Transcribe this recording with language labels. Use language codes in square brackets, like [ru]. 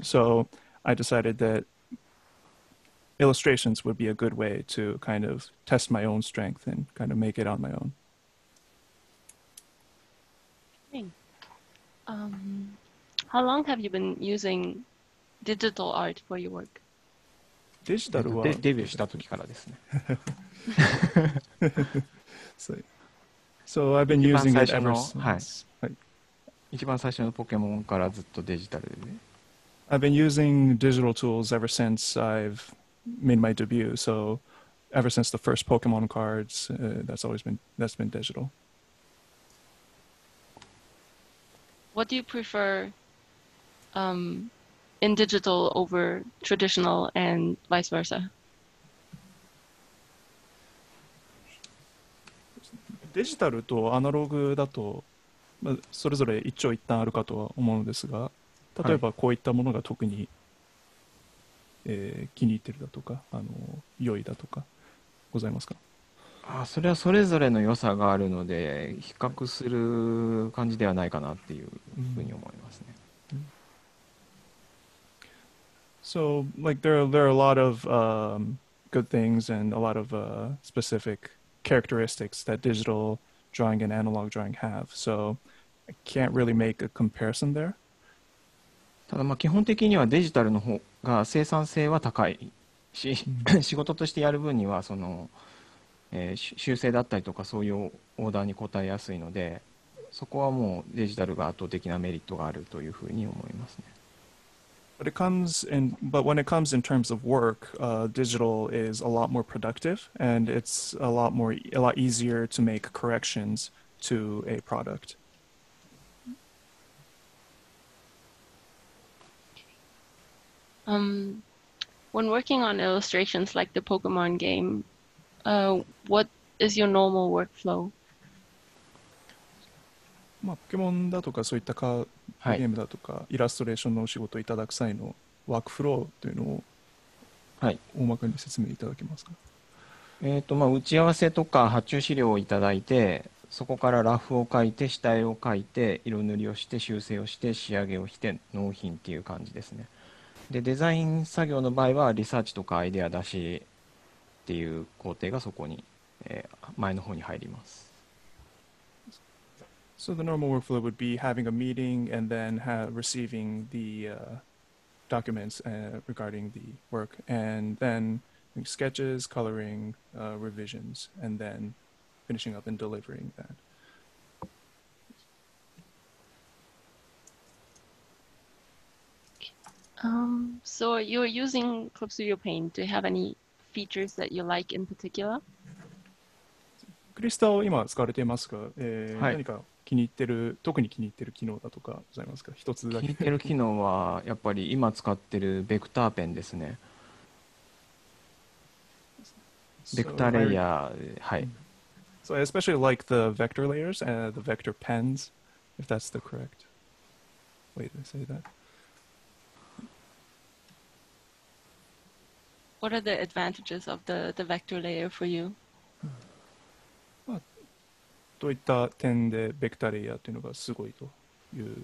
[en] So I decided that illustrations would be a good way to kind of test my own strength and kind of make it on my own. How long have you been using digital art for your work? Digital [ja] は デビューした時からですね。 [en] So I've been using it ever since. [ja] 一番最初のポケモンからずっとデジタルでね。 [en] I've been using digital tools ever since I've made my debut. So ever since the first Pokemon cards, that's been digital. What do you prefer in digital over traditional and vice versa? [ja] デジタルとアナログだと、まあ、それぞれ一長一短あるかとは思うのですが、例えばこういったものが特に、気に入ってるだとか、あの良いだとかございますか？あ、それはそれぞれの良さがあるので比較する感じではないかなっていうふうに思いますね。 [en] So like there are a lot of good things and a lot of specific characteristics that digital drawing and analog drawing have. So I can't really make a comparison there. [ja] ただまあ基本的にはデジタルの方が生産性は高いし、仕事としてやる分にはその、修正だったりとかそういうオーダーに応えやすいので、そこはもうデジタルが圧倒的なメリットがあるというふうに思いますね。 [en] But when it comes in terms of work, digital is a lot more productive, and it's a lot easier to make corrections to a product. When working on illustrations like the Pokemon game, what is your normal workflow? [ja] まあ、ポケモンだとかそういったカードゲームだとか、はい、イラストレーションのお仕事をいただく際のワークフローというのを大まかに説明いただけますか。はい、まあ、打ち合わせとか発注資料をいただいて、そこからラフを書いて、下絵を書いて、色塗りをして、修正をして、仕上げをして、納品っていう感じですね。で、デザイン作業の場合はリサーチとかアイデア出しっていう工程がそこに、前の方に入ります。 [en] So the normal workflow would be having a meeting and then receiving the、documents、regarding the work and then sketches, coloring,、revisions and then finishing up and delivering that. So you're using Clip Studio Paint. Do you have any features that you like in particular? [ja] クリスタを今使われていますか、はい、何か気に入ってる、特に気に入ってる機能だとかございますか？一つだけ。気に入ってる機能はやっぱり今使ってるベクターペンですね。ベクターレイヤー、はい。 [en] So I especially like the vector layers and the vector pens, if that's the correct way to say that. What are the advantages of the vector layer for you? [ja] まあ、どういった点でベクターレイヤーというのがすごいという。